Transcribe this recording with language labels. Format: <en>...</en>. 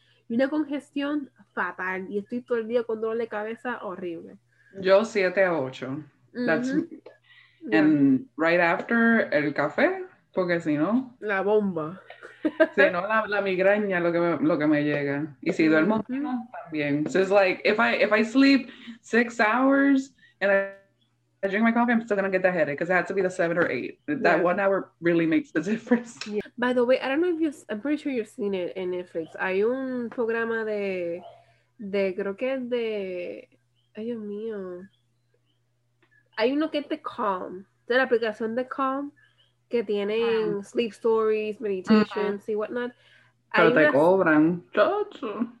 <es>Y una congestión fatal. Y estoy todo el día con dolor de cabeza horrible. Yo 7 a 8.</es> <en>That's me. And right after</en> <es>el café. Porque si no... La bomba. Si no, la migraña lo que me llega. Y si duermo, mm-hmm. no, también.</es> <en>So it's like, if I sleep 6 hours and I drink my coffee, I'm still going to get the headache because it has to be the 7 or 8. That 1 hour really makes the difference. Yeah. By the way, I don't know if you've... I'm pretty sure you've seen it in Netflix.</en> <es>Hay un programa de creo que es de... Ay, Dios mío. Hay uno que es de Calm. De la aplicación de Calm. Que tienen</es> <en>sleep stories, meditations,</en> <es>uh-huh. y whatnot. Pero te cobran. Chacho.</es>